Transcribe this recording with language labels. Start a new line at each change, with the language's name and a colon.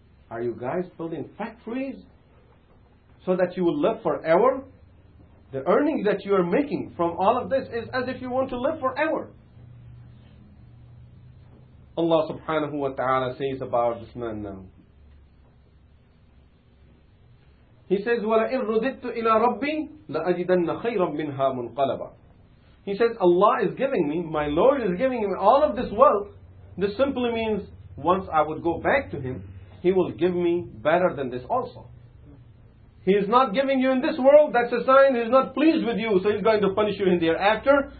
English: Are you guys building factories so that you will live forever? The earnings that you are making from all of this is as if you want to live forever. Allah subhanahu wa ta'ala says about this man now. He says,
Arabic: وَلَئِن رُدِدْتُ إِلَىٰ رَبِّي لَأَجِدَنَّ خَيْرًا مِنْهَا مُنْقَلَبًا.
English: He says, Allah is giving me, my Lord is giving me all of this wealth. This simply means, once I would go back to Him, He will give me better than this also. He is not giving you in this world, that's a sign He is not pleased with you, so He's going to punish you in the hereafter.